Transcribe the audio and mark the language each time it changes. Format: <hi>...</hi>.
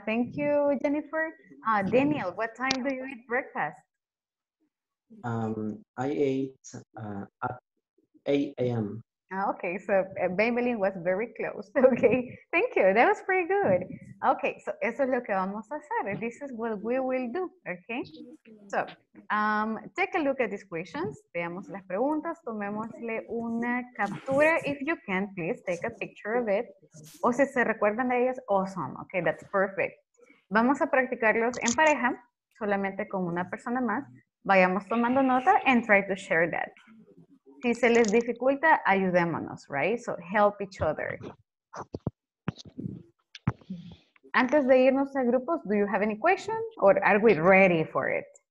<en>Thank you, Jennifer. Daniel, what time do you eat breakfast? I ate at 8 a.m. Okay, so Maybelline was very close. Okay, thank you. That was pretty good.</en> <es>Okay, so eso es lo que vamos a hacer.</es> <en>This is what we will do. Okay, so take a look at these questions.</en> <es>Veamos las preguntas. Tomémosle una captura.</es> <en>If you can, please take a picture of it.</en> <es>O si se recuerdan de ellas, awesome. Okay, that's perfect. Vamos a practicarlos en pareja, solamente con una persona más. Vayamos tomando nota</es> <en>and try to share that.</en> <es>Si se les dificulta, ayudémonos, right?</es> <en>So, help each other.</en> <es>Antes de irnos a grupos,</es> <en>do you have any questions? Or are we ready for it?</en>